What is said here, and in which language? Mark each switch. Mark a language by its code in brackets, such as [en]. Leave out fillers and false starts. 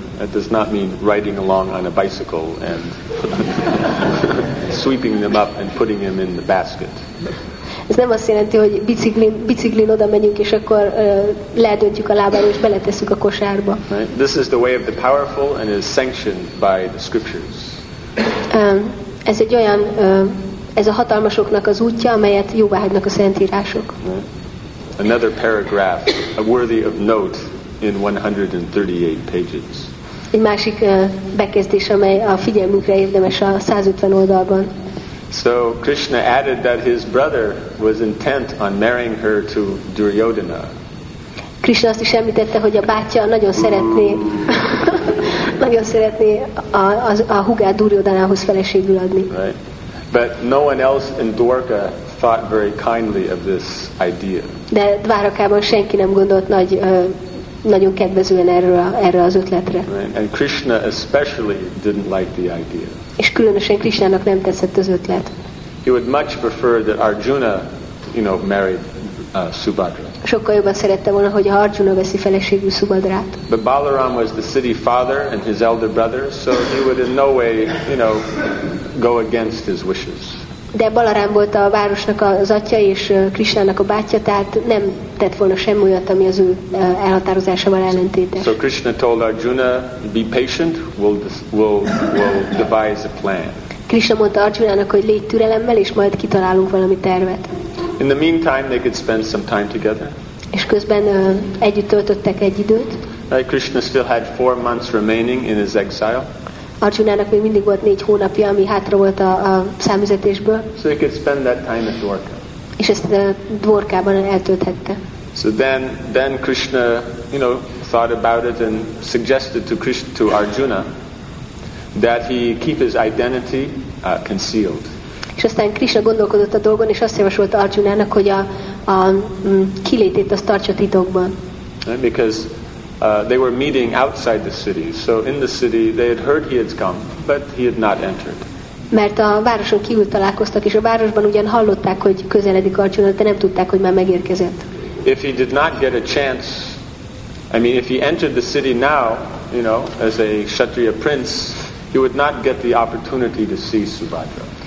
[en] That does not mean riding along on a bicycle and sweeping them up and putting them in the basket. [hu] Ez nem azt jelenti, hogy biciklin oda megyünk, és akkor ledöntjük a lábáról, és beletesszük a kosárba. [en] Right? This is the way of the powerful and is sanctioned by the scriptures. [hu] Ez egy olyan, ez a hatalmasoknak az útja, amelyet jóvá hagynak a szentírások. [en] Another paragraph, a worthy of note in 138 pages. [hu] Egy másik bekezdés, amely a figyelmünkre érdemes a 150 oldalban. [en] So Krishna added that his brother was intent on marrying her to Duryodhana. [hu] Krishna azt is említette, hogy a bátyja nagyon szeretné nagyon szeretné a húgát Duryodhanához feleségül adni. [en] Right. But no one else in Dwarka thought very kindly of this idea. [hu] De Dvárakában senki nem gondolt nagyon kedvezően erre az ötletre. [en] Right. And Krishna especially didn't like the idea. [hu] És különösen Krishnának nem tetszett az ötlet. [en] He would much prefer that Arjuna, you know, married Subhadra. [hu] Sokkal jobban szerette volna, hogy Arjuna veszi feleségül Subhadrát. [en] But Balaram was the city father and his elder brother, so he would in no way, you know, go against his wishes. [hu] De Balaram volt a városnak az atya és Krishnának a bátyja, tehát nem tett volna semmi olyat, ami az ő elhatározásával ellentétes. [en] So Krishna told Arjuna, be patient, we'll devise a plan. [hu] Krishna mondta Arjunának, hogy légy türelemmel, és majd kitalálunk valami tervet. [en] In the meantime, they could spend some time together. [hu] És közben együtt töltöttek egy időt. [en] Krishna still had 4 months remaining in his exile. [hu] Arjunának még mindig volt 4 hónapja, ami hátra volt a számüzetésből. [en] So he could spend that time at Dvarka. [hu] És ezt Dvarkában eltölthette. [en] So then Krishna, you know, thought about it and suggested to Arjuna that he keep his identity concealed. [hu] És aztán Krishna gondolkodott a dolgon, és azt javasolta Arjunának, hogy a kilétét azt tartsa titokban. [en] Right? Because they were meeting outside the city, so in the city they had heard he had come, but he had not entered. [hu] Mert a városon kívül találkoztak, és a városban ugyan hallották, hogy közeledik Arjuna, de nem tudták, hogy már megérkezett. [en] If he did not get a chance, I mean, if he entered the city now, you know, as a Kshatriya prince, he would not get the opportunity to see Subhadra.